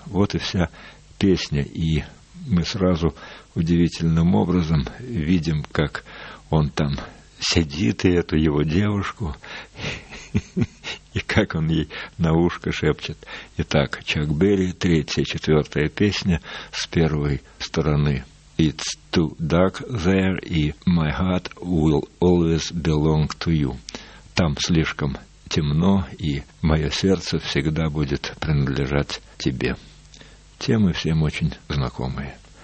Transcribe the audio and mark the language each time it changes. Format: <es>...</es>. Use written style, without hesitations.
<ru>Вот и вся песня, и мы сразу удивительным образом видим, как он там сидит, и эту его девушку, и как он ей на ушко шепчет. Итак, Чак Берри, третья, четвертая песня с первой стороны.</ru> <en>It's too dark there,</en> <ru>и</ru> <en>my heart will always belong to you.</en> <ru>Там слишком темно, и мое сердце всегда будет принадлежать тебе. Темы всем очень знакомые.</ru>